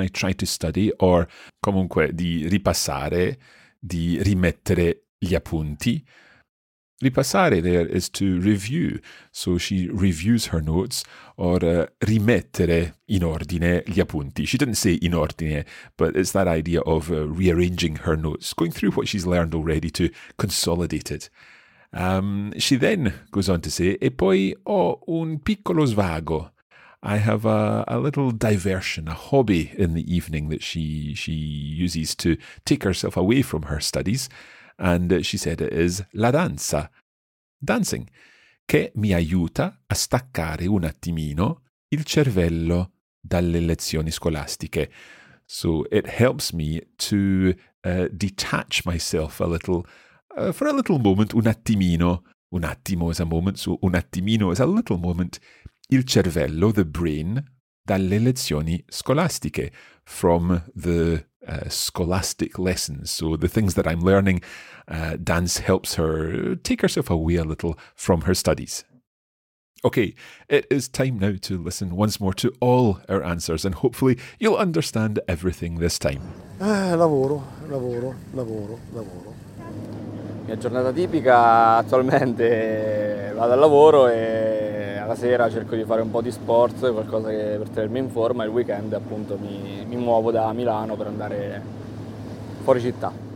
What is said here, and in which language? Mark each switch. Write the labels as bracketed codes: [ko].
[en] I try to study, or [it] comunque di ripassare, di rimettere gli appunti. [en] Ripassare there is to review. So she reviews her notes, or [it] rimettere in ordine gli appunti. [en] She didn't say in ordine, but it's that idea of rearranging her notes, going through what she's learned already to consolidate it. She then goes on to say, [it] e poi ho un piccolo svago. [en] I have a little diversion, a hobby in the evening that she uses to take herself away from her studies. And she said it is [it] la danza, dancing, che mi aiuta a staccare un attimino il cervello dalle lezioni scolastiche. [en] So it helps me to detach myself a little, for a little moment, [it] un attimo [en] is a moment, so [it] un attimino [en] is a little moment, [it] il cervello, [en] the brain, [it] dalle lezioni scolastiche, [en] from the scholastic lessons. So the things that I'm learning, dance helps her take herself away a little from her studies. Okay, it is time now to listen once more to all our answers, and hopefully you'll understand everything this time. [it] Lavoro, lavoro, lavoro, lavoro. La mia giornata tipica attualmente vado al lavoro e alla sera cerco di fare un po' di sport, qualcosa che per tenermi in forma, e il weekend appunto mi muovo da Milano per andare fuori città.